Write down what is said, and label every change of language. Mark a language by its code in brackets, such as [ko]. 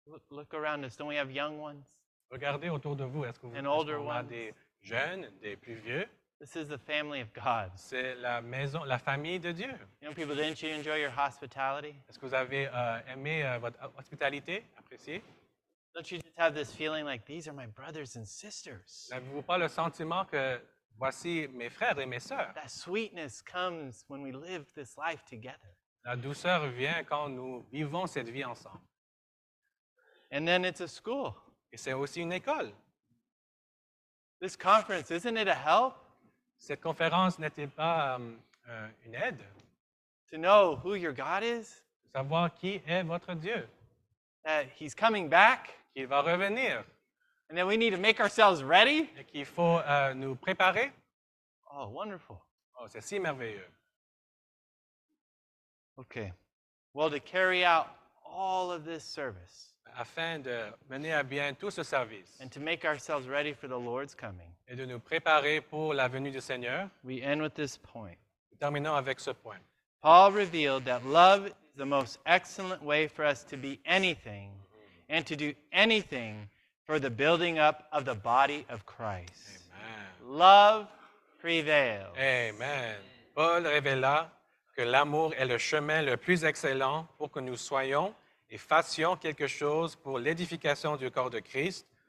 [en] Look around us. Don't we have young ones? [fr] Regardez autour de vous. Est-ce que vous avez des jeunes, des plus vieux? [en] This is the family of God. [fr] C'est la maison, la famille de Dieu. [en] Young people, didn't you enjoy your hospitality? [fr] Est-ce que vous avez aimé votre hospitalité, apprécié? [en] Don't you just have this feeling like these are my brothers and sisters? [fr] N'avez-vous pas le sentiment que voici mes frères et mes sœurs? [en] That sweetness comes when we live this life together. [fr] La douceur vient quand nous vivons cette vie ensemble. [en] And then it's a school. [fr] Et c'est aussi une école. [en] This conference, isn't it a help? [fr] Cette conférence n'était pas une aide? [en] To know who your God is? [fr] Savoir qui est votre Dieu. [en] That he's coming back? [fr] Qu'il va revenir. [en] And then we need to make ourselves ready? [fr] Et qu'il faut nous préparer. [en] Oh, wonderful. [fr] Oh, c'est si merveilleux. [en] Okay. Well, to carry out all of this service. [fr] Afin de mener à bien tout ce service. [en] And to make ourselves ready for the Lord's coming. [fr] Et de nous préparer pour la venue du Seigneur. [en] We end with this point. [fr] Nous terminons avec ce point. [en] Paul revealed that love is the most excellent way for us to be anything and to do anything for the building up of the body of Christ. Amen. Love prevails. Amen. [fr] Paul révéla que l'amour est le chemin le plus excellent pour que nous soyons et fassions quelque chose pour l'édification du corps de Christ.